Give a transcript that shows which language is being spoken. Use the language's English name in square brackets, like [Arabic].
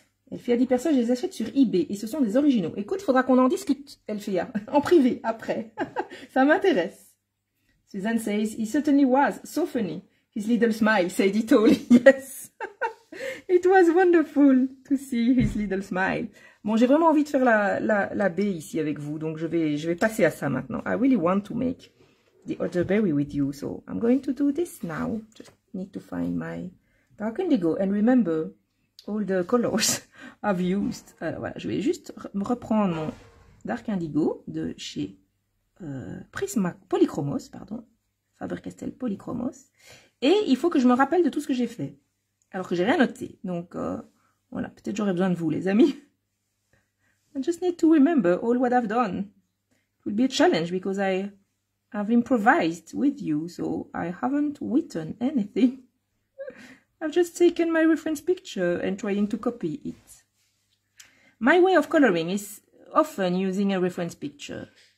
[French] Elfea dit, perso, je les achète sur eBay et ce sont des originaux. Écoute, il faudra qu'on en discute, Elfea, en privé, après. Ça m'intéresse. [English] Suzanne says, he certainly was so funny. His little smile said it all. Yes. It was wonderful to see his little smile. [French] Bon, j'ai vraiment envie de faire la baie ici avec vous, donc je vais passer à ça maintenant. [English] I really want to make the other berry with you, so I'm going to do this now. Just need to find my dark indigo and remember all the colors I've used. [French] Alors voilà, je vais juste reprendre mon dark indigo de chez Faber-Castell Polychromos. Et il faut que je me rappelle de tout ce que j'ai fait, alors que j'ai rien noté. Donc voilà, peut-être j'aurai besoin de vous les amis. [English] I just need to remember all what I've done. It will be a challenge because I have improvised with you, so I haven't written anything. I've just taken my reference picture and trying to copy it. My way of coloring is often using a reference picture.